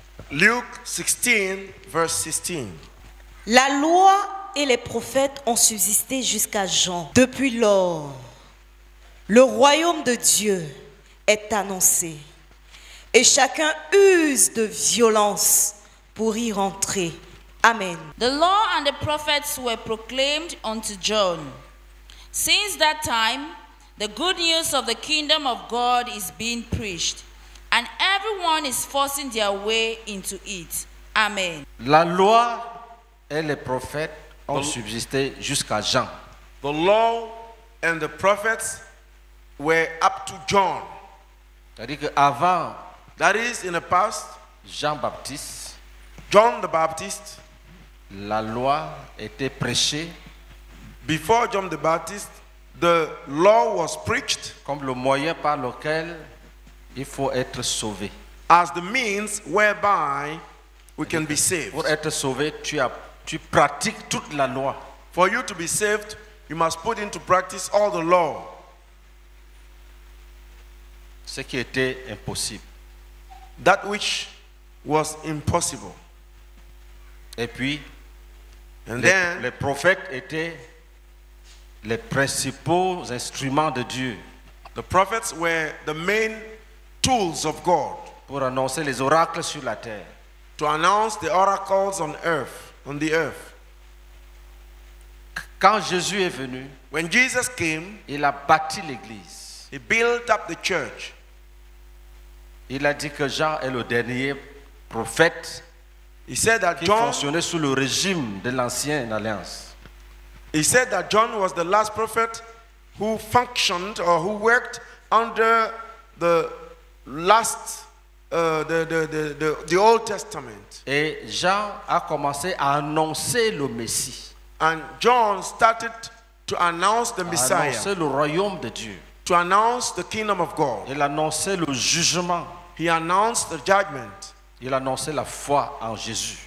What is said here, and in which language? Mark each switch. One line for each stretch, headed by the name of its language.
English: Luke 16, verse 16.
French: La loi et les prophètes ont subsisté jusqu'à Jean. Depuis lors, le royaume de Dieu est annoncé et chacun use de violence pour y rentrer. Amen.
English: The law and the prophets were proclaimed unto John. Since that time, the good news of the kingdom of God is being preached, and everyone is forcing their way into it. Amen.
French: La loi et les prophètes ont subsisté jusqu'à Jean.
English: The law and the prophets were up to John.
French: C'est-à-dire qu'avant,
English: that is in the past,
French: Jean-Baptiste,
English: John the Baptist,
French: la loi était prêchée.
English: Before John the Baptist, The law was preached
French: comme le moyen par lequel il faut être sauvé.
English: As the means whereby we can be saved.
French: Pour être sauvé, tu pratiques toute la loi.
English: For you to be saved, you must put into practice all the law.
French: Ce qui était impossible.
English: That which was impossible.
French: Et puis,
English: and then,
French: les prophètes étaient les principaux instruments de Dieu.
English: The prophets were the main tools of God.
French: Pour annoncer les oracles sur la terre.
English: To announce the oracles on earth, on the earth.
French: Quand Jésus est venu,
English: when Jesus came,
French: il a bâti l'église.
English: He built up the church.
French: Il a dit que Jean est le dernier prophète.
English: He said that
French: qui
English: John
French: fonctionnait sous le régime de l'ancienne alliance.
English: He said that John was the last prophet who functioned or who worked under the last the Old Testament.
French: Et Jean a commencé à annoncer le Messie.
English: And John started to announce the Messiah.
French: Annoncer le royaume de Dieu.
English: To announce the kingdom of God.
French: Il annonçait le jugement.
English: He announced the judgment.
French: Il annonçait la foi en Jésus.